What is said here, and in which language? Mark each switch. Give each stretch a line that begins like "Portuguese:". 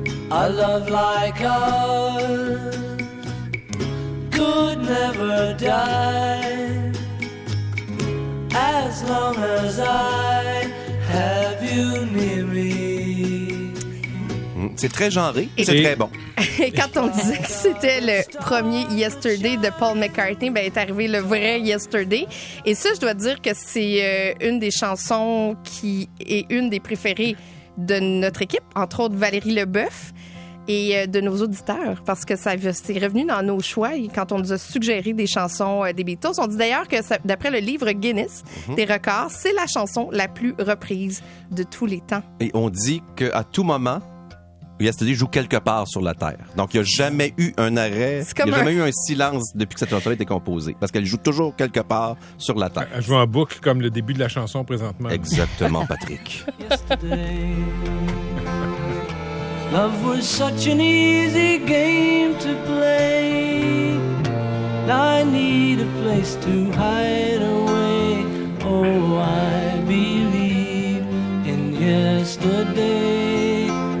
English: A love like ours could never die, as long as I have you near me.
French: C'est très genré, c'est très bon. Et quand on disait que c'était le premier « Yesterday » de Paul McCartney, ben est arrivé le vrai « Yesterday ». Et ça, je dois dire que c'est une des chansons qui est une des préférées de notre équipe, entre autres Valérie Leboeuf, et de nos auditeurs, parce que ça, c'est revenu dans nos choix quand on nous a suggéré des chansons des Beatles. On dit d'ailleurs que, ça, d'après le livre Guinness des records, c'est la chanson la plus reprise de tous les temps. Et on dit qu'à tout moment... Yesterday joue quelque part sur la Terre. Donc, il n'y a jamais eu un arrêt, il n'y a jamais eu un silence depuis que cette chanson a été composée. Parce qu'elle joue toujours quelque part sur la Terre. Elle joue en boucle comme le début de la chanson présentement. Exactement, Patrick.
English: Yesterday, love was such an easy game to play. I need a place to hide away. Oh, I believe in yesterday.